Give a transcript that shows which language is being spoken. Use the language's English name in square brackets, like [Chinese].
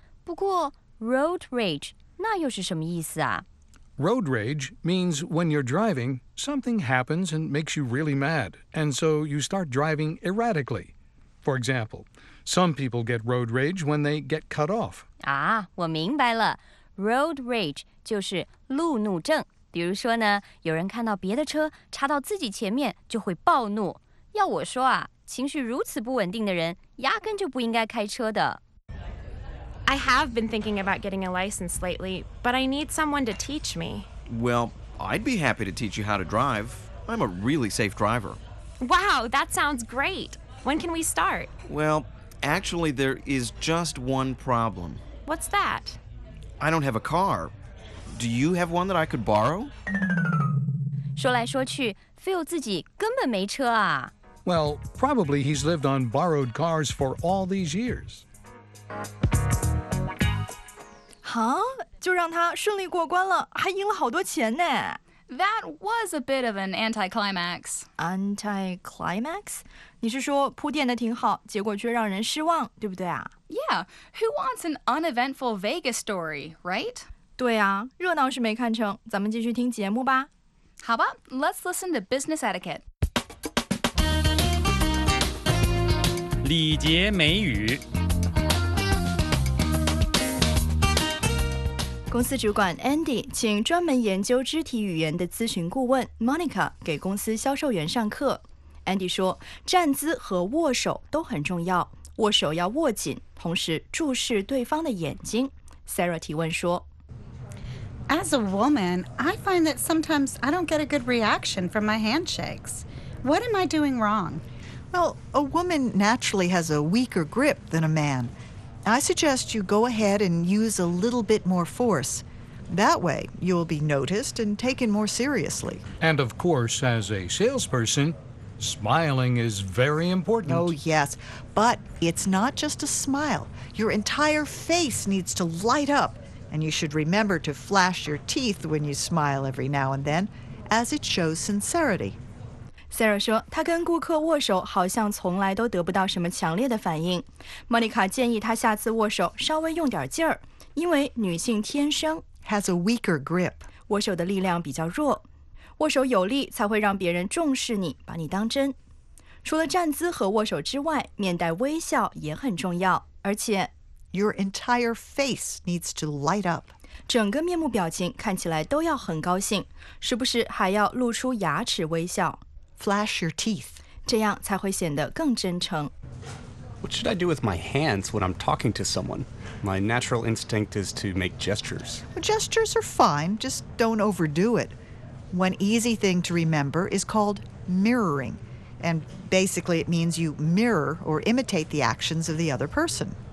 [Chinese] 不过 road rage 那又是什么意思啊？ [English] Road rage means when you're driving, something happens and makes you really mad, and so you start driving erratically. For example,Some people get road rage when they get cut off. [Chinese] 啊，我明白了。Road rage 就是路怒症。比如说呢，有人看到别的车插到自己前面就会暴怒。要我说啊，情绪如此不稳定的人压根就不应该开车的。 [English] I have been thinking about getting a license lately, but I need someone to teach me. Well, I'd be happy to teach you how to drive. I'm a really safe driver. Wow, that sounds great. When can we start? Well... Actually, there is just one problem. What's that? I don't have a car. Do you have one that I could borrow? [Chinese] 说来说去 ,Phil 自己根本没车啊。 [English] Well, probably he's lived on borrowed cars for all these years. Huh? [Chinese] 就让他顺利过关了,还赢了好多钱呢。 [English] That was a bit of an anti-climax. Anti-climax? [Chinese] 你是说铺垫的挺好，结果却让人失望，对不对啊？ [English] Yeah, who wants an uneventful Vegas story, right? [Chinese] 对啊，热闹是没看成，咱们继续听节目吧。好吧， [English] let's listen to business etiquette. [Chinese] 礼节美语。公司主管 Andy 请专门研究肢体语言的咨询顾问 Monica 给公司销售员上课。 Andy 说，站姿和握手都很重要，握手要握紧，同时注视对方的眼睛。 Sarah 提问说 [English] ，As a woman, I find that sometimes I don't get a good reaction from my handshakes. What am I doing wrong? Well, a woman naturally has a weaker grip than a man. I suggest you go ahead and use a little bit more force. That way, you'll be noticed and taken more seriously. And of course, as a salesperson, smiling is very important. Oh, yes. But it's not just a smile. Your entire face needs to light up. And you should remember to flash your teeth when you smile every now and then, as it shows sincerity. [Chinese] Sarah 说，她跟顾客握手好像从来都得不到什么强烈的反应。 Monica 建议她下次握手稍微用点劲儿，因为女性天生 [English] has a weaker grip， [Chinese] 握手的力量比较弱。握手有力才会让别人重视你，把你当真。除了站姿和握手之外，面带微笑也很重要。而且 [English] ，your entire face needs to light up， [Chinese] 整个面目表情看起来都要很高兴，时不时还要露出牙齿微笑。 [English] Flash your teeth. [Chinese] 这样才会显得更真诚。 [English] What should I do with my hands when I'm talking to someone? My natural instinct is to make gestures. Well, gestures are fine, just don't overdo it. One easy thing to remember is called mirroring. And basically it means you mirror or imitate the actions of the other person.